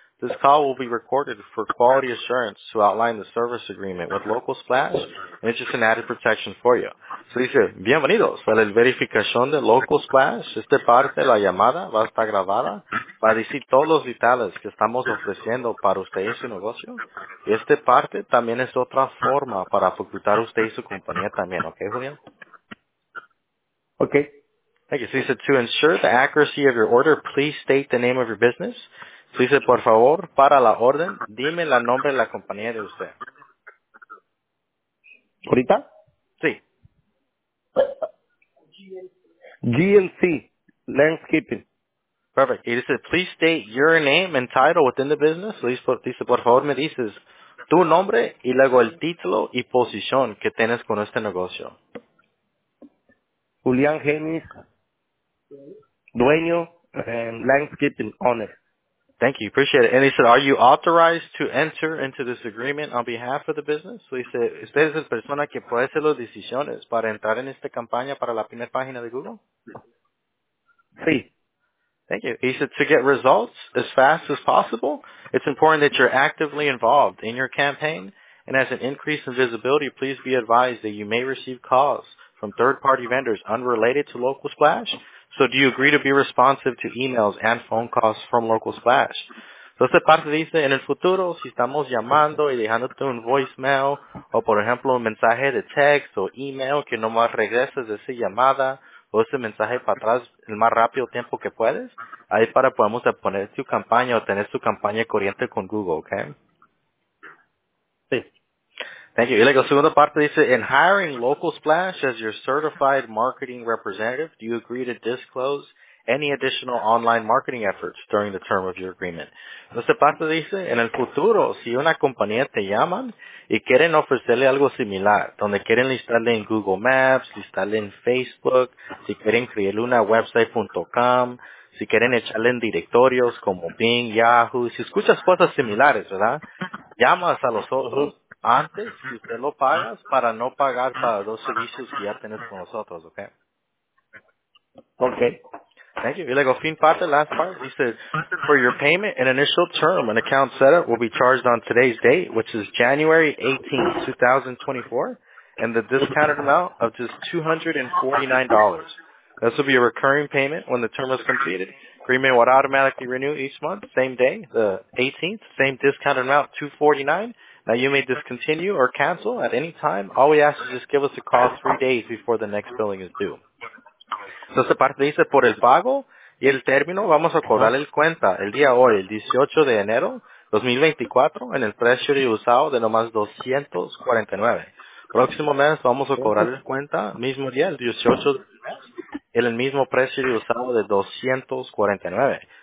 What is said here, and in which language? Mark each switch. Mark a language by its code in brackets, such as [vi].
[en] This call will be recorded for quality assurance to outline the service agreement with Local Splash. And it's just an added protection for you. So [es] dice, bienvenidos a la verificación de Local Splash. Esta parte, la llamada, va a estar grabada para decir todos los detalles que estamos ofreciendo para usted y su negocio. Y esta parte también es otra forma para facultar usted y su compañía también. ¿Ok, Julián? Ok. [en] Thank you. So [es] dice, [en] to ensure the accuracy of your order, please state the name of your business. [es] So dice, por favor, para la orden, dime el nombre de la compañía de usted. ¿Ahorita? Sí. [en] GNC Landscaping. Perfect. [es] Y dice, [en] please state your name and title within the business. [es] So dice, por favor, me dices tu nombre y luego el título y posición que tienes con este negocio. Julián Genis, dueño, [en] Landscaping Owner. Thank you. Appreciate it. And he said, are you authorized to enter into this agreement on behalf of the business? So he said, [es] ¿usted es la persona que puede hacer las decisiones para entrar en esta campaña para la primera página de Google? Sí. [en] Thank you. He said, to get results as fast as possible, it's important that you're actively involved in your campaign. And as an increase in visibility, please be advised that you may receive calls from third-party vendors unrelated to Local Splash. So do you agree to be responsive to emails and phone calls from Local Splash? [es] So esta parte dice, en el futuro, si estamos llamando y dejándote un voicemail, o por ejemplo, un mensaje de text o email, que nomás regreses de esa llamada o ese mensaje para atrás el más rápido tiempo que puedes, ahí para podemos poner tu campaña o tener tu campaña corriente con Google, okay? Sí. [en] Thank you. [es] Y luego, la segunda parte dice, [en] in hiring Local Splash as your certified marketing representative, do you agree to disclose any additional online marketing efforts during the term of your agreement? [es] Esta parte dice, en el futuro, si una compañía te llaman y quieren ofrecerle algo similar, donde quieren listarle en Google Maps, listarle en Facebook, si quieren crearle una website.com, si quieren echarle en directorios como Bing, Yahoo, si escuchas cosas similares, ¿verdad? Llamas a los otros. Antes, si usted lo pagas, para no pagar para dos servicios que ya tienes con nosotros, ¿ok? Ok. [en] Thank you. [es] Y luego, fin parte, [en] last part. He says, for your payment, an initial term, an account setup will be charged on today's date, which is January 18, 2024, and the discounted amount of just $249. This will be a recurring payment when the term is completed. agreement would automatically renew each month, same day, the 18th, same discount amount, $249. Now, you may discontinue or cancel at any time. All we ask is just give us a call 3 days before the next billing is due. [es] Entonces, aparte dice, por el pago y el término, vamos a cobrar el cuenta el día hoy, el 18 de enero 2024, en el precio usado de nomás $249. Próximo mes, vamos a cobrar el cuenta, mismo día, el 18 de en el mismo precio usado de $249.